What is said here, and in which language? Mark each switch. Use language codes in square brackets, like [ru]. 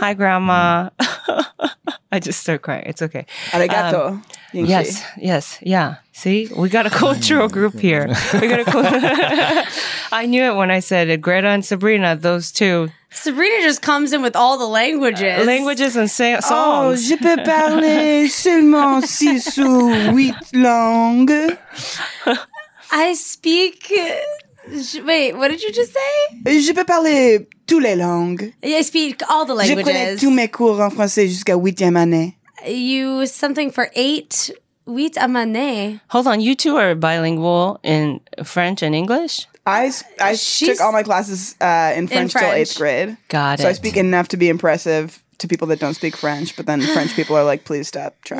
[en] Hi, Grandma. I just start crying. It's okay. [ja] Arigato. [en] Yes. Yeah. See, we got a cultural group here. I knew it when I said it. Greta and Sabrina, those two. Sabrina just comes in with all the languages. Languages and songs. [fr] Oh, je peux parler seulement six ou huit langues. [en] I speak. Wait, what did you just say? [fr] Je peux parler. Toutes les langues. [en] I speak all the languages. [fr] Je connais tous mes cours en français jusqu'à huitième année. [en] You something for eight, [fr] huitième année. [en] Hold on, you two are bilingual in French and English? I took all my classes in French till eighth grade. Got it. So I speak enough to be impressive to people that don't speak French, but then French people are like, please stop trying.